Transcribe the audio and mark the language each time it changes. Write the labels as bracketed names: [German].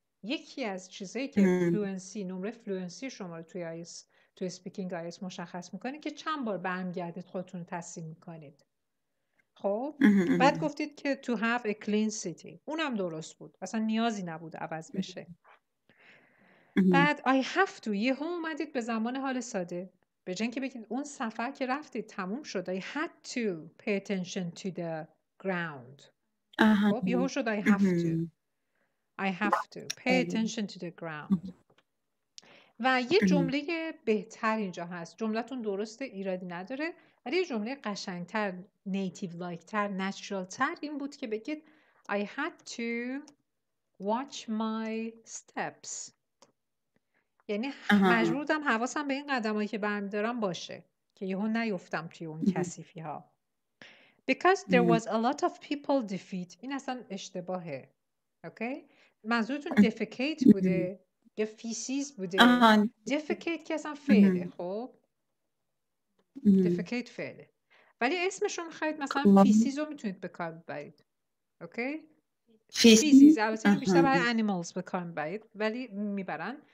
[Persian] یکی از چیزهایی که فلوئنسی نمره فلوئنسی شما رو توی آیس توی سپیکینگ آیس مشخص میکنه که چند بار برمیگردید خودتون رو تصریح میکنید. خب بعد گفتید که [English] to have a clean city [Persian] اونم درست بود، اصلا نیازی نبود عوض بشه. بعد [English] I have to [Persian] یهو اومدید به زمان حال ساده به جنگی بگید اون سفر که رفتید تموم شد. [English] I had to pay attention to the ground. [Persian] خب یهو شد [English] I have to. I have to pay attention to the ground. [Persian] و یه جمله بهتر اینجا هست. جملتون درسته، ایرادی نداره. ولی یه جمله قشنگتر، نیتیو لایکتر، نچرالتر این بود که بگید [English] I had to watch my steps. [Persian] یعنی مجبور بودم حواسم به این قدمایی که برمیدارم باشه که یهو نیفتم توی اون کثیفی ها. [English] Because there was a lot of people defeat. [Persian] این اصلا اشتباهه. اوکی؟ منظورتون دفکیت بوده یا فیسیز بوده؟ دفکیت که اصلا فعله. خب دفکیت فعله ولی اسمش رو میخواید مثلا فیسیز رو میتونید به کار ببرید. اوکی؟ فیزیز البته بیشتر برای انیمالز به کار میبرید ولی میبرن.